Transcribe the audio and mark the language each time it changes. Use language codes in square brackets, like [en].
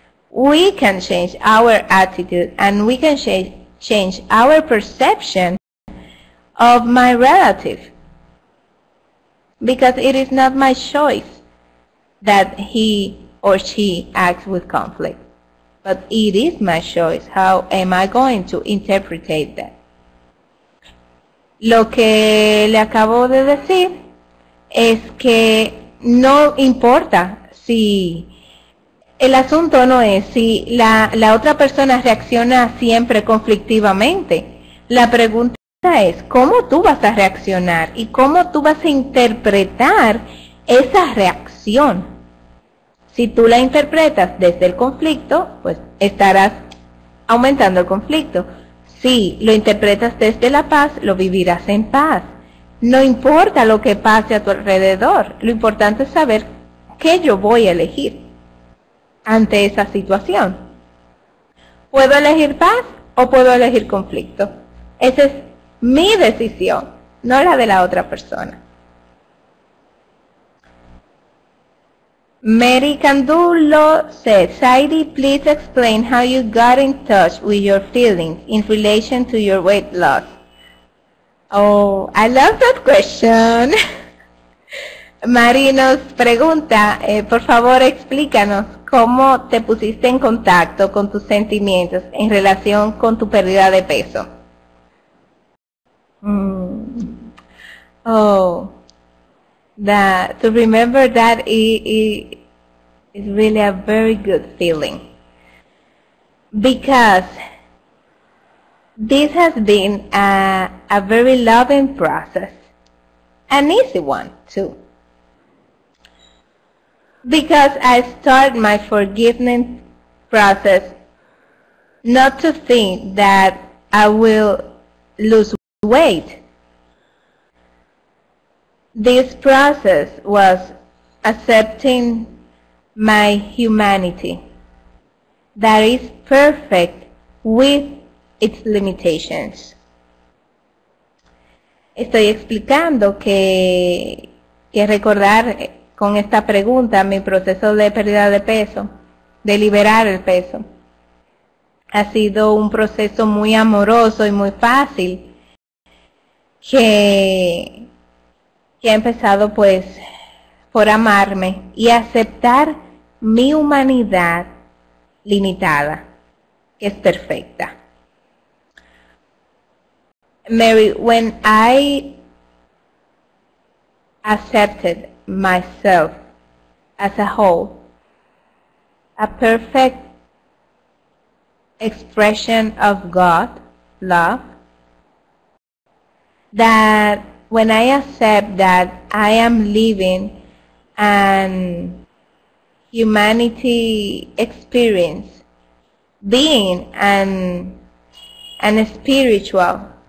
[en] We can change our attitude and we can change our perception of my relative, because it is not my choice that he or she acts with conflict, but it is my choice. How am I going to interpret that? [es] Lo que le acabo de decir es que no importa si el asunto no es si la otra persona reacciona siempre conflictivamente. La pregunta es cómo tú vas a reaccionar y cómo tú vas a interpretar esa reacción. Si tú la interpretas desde el conflicto, pues estarás aumentando el conflicto. Si lo interpretas desde la paz, lo vivirás en paz. No importa lo que pase a tu alrededor, lo importante es saber qué yo voy a elegir ante esa situación. ¿Puedo elegir paz o puedo elegir conflicto? Esa es mi decisión, no la de la otra persona. [en] Mary Candulo said, Saidi, please explain how you got in touch with your feelings in relation to your weight loss. Oh, I love that question. [es] Mary nos pregunta, por favor explícanos cómo te pusiste en contacto con tus sentimientos en relación con tu pérdida de peso. [en] Oh, to remember that is really a very good feeling, because this has been a very loving process, an easy one too, because I start my forgiveness process not to think that I will lose weight. This process was accepting my humanity that is perfect with its limitations. [es] Estoy explicando que recordar con esta pregunta mi proceso de pérdida de peso, de liberar el peso, ha sido un proceso muy amoroso y muy fácil, que he empezado pues por amarme y aceptar mi humanidad limitada, que es perfecta. [en] Mary, when I accepted myself as a whole, a perfect expression of God, love, that when I accept that I am living an humanity experience, being an spiritual